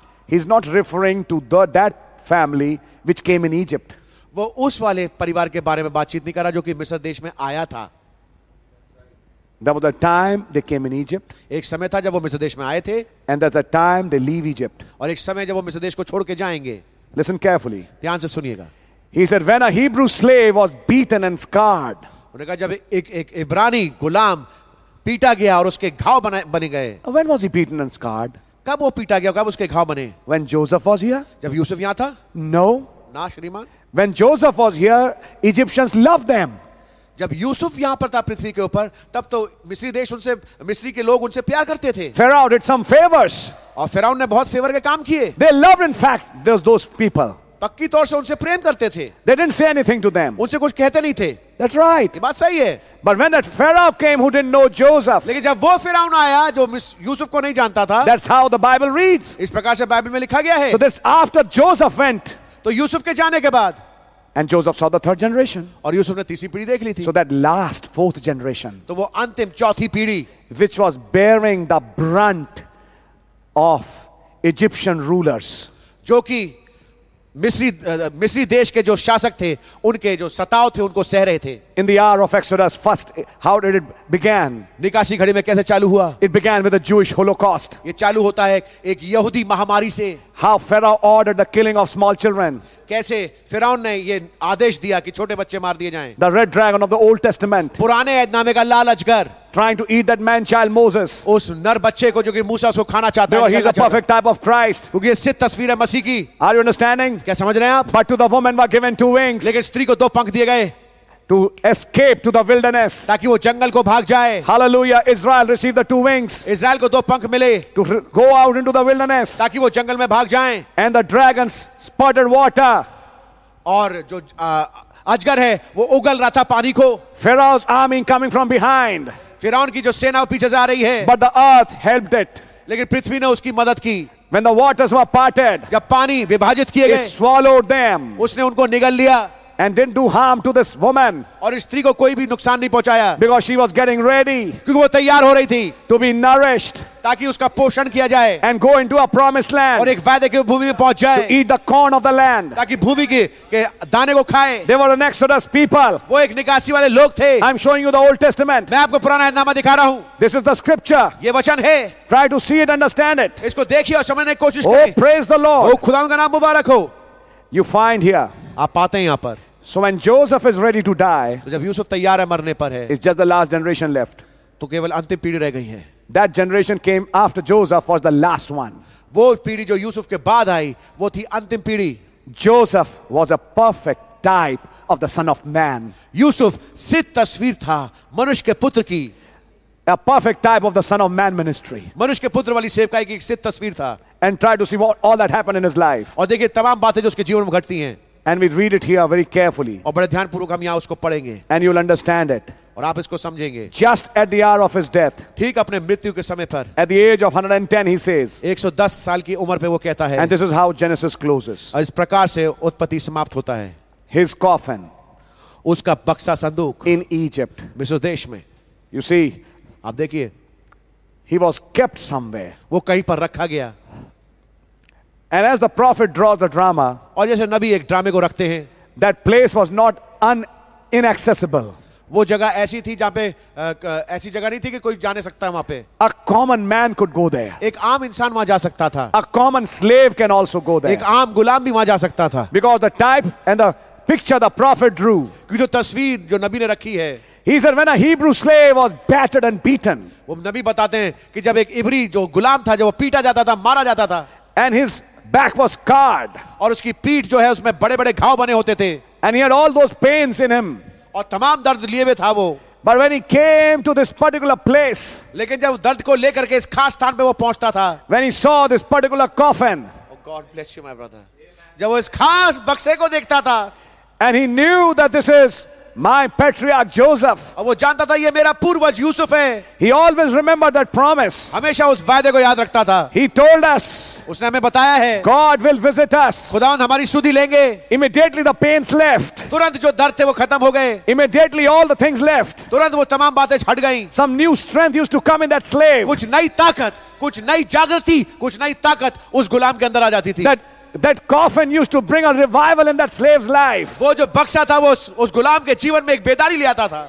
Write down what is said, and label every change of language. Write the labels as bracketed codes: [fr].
[en] he's not referring to that family which came in Egypt. [hi] वो उस वाले परिवार के बारे में बातचीत नहीं कर रहा जो कि मिस्र देश में आया था. [en] There was a time they came in Egypt. [hi] एक समय था जब वो मिस्र देश में आए थे. [en] And there's a time they leave Egypt. [hi] और एक समय जब वो मिस्र देश को छोड़ के जाएंगे. [en] Listen carefully. [hi] ध्यान से सुनिएगा. [en] He said, when a Hebrew slave was beaten and scarred. [hi] उन्होंने कहा जब एक इब्रानी गुलाम पीटा गया और उसके घाव बने गए. [en] When was he beaten and scarred? [hi] कब वो पीटा गया, कब उसके घाव बने? [en] When Joseph was here? [hi] जब यूसुफ यहाँ था? [en] No. [hi] ना श्रीमान. [en] When Joseph was here, Egyptians loved them. [hi] जब यूसुफ यहाँ पर था पृथ्वी के ऊपर, तब तो मिस्री देश उनसे, मिस्री के लोग उनसे प्यार करते थे. [en] Pharaoh did some favors. [hi] और फिराउन ने बहुत फेवर के काम किए. [en] They loved, in fact, those people. [hi] पक्की तौर से उनसे प्रेम करते थे. [en] They didn't say anything to them. [hi] उनसे कुछ कहते नहीं थे. [en] That's right. [hi] ये बात सही है. [en] But when that Pharaoh came who didn't know Joseph. [hi] लेकिन जब वो फिराउन आया जो यूसुफ को नहीं जानता था. [en] That's how the Bible reads. [hi] इस प्रकार से बाइबल में लिखा गया है. [en] So this after Joseph went. [hi] तो यूसुफ के जाने के बाद. [en] And Joseph saw the third generation. [hi] और यूसुफ ने तीसरी पीढ़ी देख ली थी. [en] So that last fourth generation. [hi] तो वो अंतिम चौथी पीढ़ी. [en] Which was bearing the brunt of Egyptian rulers. [hi] जो कि मिस्री मिस्री देश के जो शासक थे उनके जो सताव थे उनको सह रहे थे. [en] In the hour of exodus first how did it begin. [hi] निकासी घड़ी में कैसे चालू हुआ? [en] It began with a Jewish holocaust. [hi] ये चालू होता है एक यहूदी महामारी से. [en] How Pharaoh order the killing of small children. [hi] कैसे फिराउन ने ये आदेश दिया कि छोटे बच्चे मार दिए जाएं. [en] The red dragon of the Old Testament. [hi] पुराने ऐदनामे का लाल अजगर. [en] Trying to eat that man child Moses. [hi] उस नर बच्चे को जो कि मूसा उसको खाना चाहता है. [en] He is a perfect type of Christ. [hi] क्योंकि ये सिद्ध तस्वीर है मसीह की. [en] Are you understanding? [hi] क्या समझ रहे हैं आप? [en] But to the woman were given two wings. [hi] लेकिन स्त्री को दो पंख दिए गए. [en] To escape to the wilderness. [hi] ताकि वो जंगल को भाग जाए. [en] Hallelujah! Israel received the two wings. [hi] Israel को दो पंख मिले. [en] To go out into the wilderness. [hi] ताकि वो जंगल में भाग जाए. [en] And the dragons spurted water. [hi] और जो अजगर है वो उगल रहा था पानी को. [en] Pharaoh's army coming from behind. [hi] फिराउन की जो सेना पीछे से आ रही है. [en] But the earth helped it. [hi] लेकिन पृथ्वी ने उसकी मदद की. [en] When the waters were parted. [hi] जब पानी विभाजित किए गए. [en] It swallowed them. [hi] उसने उनको निगल लिया. [en] And didn't do harm to this woman. [hi] और इस स्त्री को कोई भी नुकसान नहीं पहुंचाया. [en] Because she was getting ready. [hi] क्योंकि वो तैयार हो रही थी. [en] To be nourished. [hi] ताकि उसका पोषण किया जाए. [en] And go into a promised land. [hi] और एक वायदे की भूमि में पहुंच जाए. [en] To eat the corn of the land. [hi] ताकि भूमि के दाने को खाए. [en] They were an exodus people. [hi] वो एक निकासी वाले लोग थे. [en] I'm showing you the Old Testament. [hi] मैं आपको पुराना ऐदनामा दिखा रहा हूँ. [en] This is the scripture. [hi] ये वचन है. [en] Try to see it, understand it. [hi] इसको देखिए और समझने की कोशिश करें. [en] Oh, praise the Lord. [hi] ओ खुदा का नाम मुबारक हो. [en] You find here. [hi] आप पाते हैं यहाँ पर. [en] So when Joseph is ready to die, [hi] तो जब यूसुफ तैयार है मरने पर है, [en] it's just the last generation left. [hi] तो केवल अंतिम पीढ़ी रह गई है. [en] That generation came after Joseph was the last one. [hi] वो पीढ़ी जो यूसुफ के बाद आई, वो थी अंतिम पीढ़ी. [en] Joseph was a perfect type of the Son of Man. [hi] Yusuf सिद्ध तस्वीर था मनुष्य के पुत्र की. [en] A perfect type of the Son of Man ministry. [hi] मनुष्य के पुत्र वाली सेवकाई की एक सिद्ध तस्वीर था. [en] And try to see what all that happened in his life. [hi] और देखिए तमाम बातें जो उसके जीवन में घटती हैं. [en] And we read it here very carefully. [hi] और बड़े ध्यानपूर्वक हम यहाँ उसको पढ़ेंगे. [en] And you'll understand it. [hi] और आप इसको समझेंगे. [en] Just at the hour of his death. [hi] ठीक अपने मृत्यु के समय पर. [en] At the age of 110, he says. [hi] 110 साल की उम्र पे वो कहता है. [en] And this is how Genesis closes. [hi] और इस प्रकार से उत्पत्ति समाप्त होता है. [en] His coffin. [hi] उसका बक्सा संदूक. [en] In Egypt. [hi] मिस्र देश में. [en] You see. [hi] आप देखिए. [en] He was kept somewhere. [hi] वो कहीं पर रखा गया. [en] And as the prophet draws the drama, [hi] और जैसे नबी एक ड्रामे को रखते हैं, [en] that place was not inaccessible. [hi] वो जगह ऐसी थी जहाँ पे ऐसी जगह नहीं थी कि कोई जाने सकता है वहाँ पे. [en] A common man could go there. [hi] एक आम इंसान वहाँ जा सकता था. [en] A common slave can also go there. [hi] एक आम गुलाम भी वहाँ जा सकता था. [en] Because the type and the picture the prophet drew. [hi] क्योंकि जो तस्वीर जो नबी ने रखी है. [en] He said, when a Hebrew slave was battered and beaten. [hi] वो नबी बताते हैं कि जब एक इब्री जो गुलाम था, जब वो पीटा जाता था, मारा जाता था. [en] And his back was scarred. [hi] और उसकी पीठ जो है उसमें बड़े-बड़े घाव बने होते थे. [en] And he had all those pains in him. [hi] और तमाम दर्द लिए हुए था वो. [en] But when he came to this particular place. [hi] लेकिन जब दर्द को लेकर के इस खास स्थान पे वो पहुंचता था. [en] When he saw this particular coffin. Oh God bless you my brother. [hi] जब वो इस खास बक्से को देखता था. [en] And he knew that this is my patriarch Joseph. [hi] और वो जानता था ये मेरा पूर्वज यूसुफ है. [en] He always remembered that promise. [hi] हमेशा उस वादे को याद रखता था. [en] He told us. [hi] उसने हमें बताया है. [en] God will visit us. [hi] खुदावंद हमारी सुधि लेंगे. [en] Immediately the pains left. [hi] तुरंत जो दर्द थे वो खत्म हो गए. [en] Immediately all the things left. [hi] तुरंत वो तमाम बातें हट गईं. [en] Some new strength used to come in that slave. [hi] कुछ नई ताकत, कुछ नई जागृति, कुछ नई ताकत उस गुलाम के अंदर आ जाती थी. [en] That that coffin used to bring a revival in that slave's life. [hi] वो जो बक्सा था वो उस गुलाम के जीवन में एक बेदारी ले आता था.